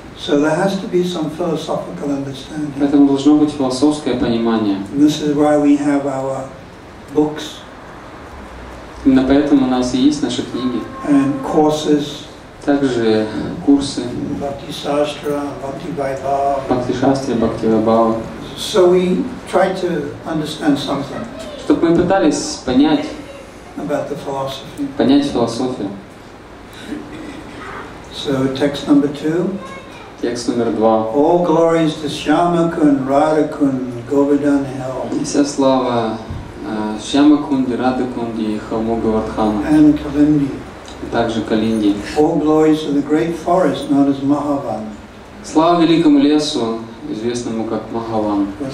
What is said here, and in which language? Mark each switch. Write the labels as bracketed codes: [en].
[en] So there has to be some philosophical understanding. [ru] Поэтому должно быть философское понимание. [en] And this is why we have our books. [ru] Именно поэтому у нас и есть наши книги. [en] And courses. [ru] также курсы Бхакти-шастра, Бхакти-вайбхава. [en] So we try to understand something. [ru] Чтобы мы пытались понять, [en] about the philosophy. [ru] Понять философию. [en] So text number two. [ru] Текст номер два. [en] All glories to Shyamakund, Radhakund, Govardhan Hill. [ru] Вся слава Шьямакунде, Радхакунде и Холму Говардхану. [en] And Калинди. [ru] И также Калинди. [en] All glories to the great forest known as Mahavan. [ru] Слава великому лесу, известному как Махаван.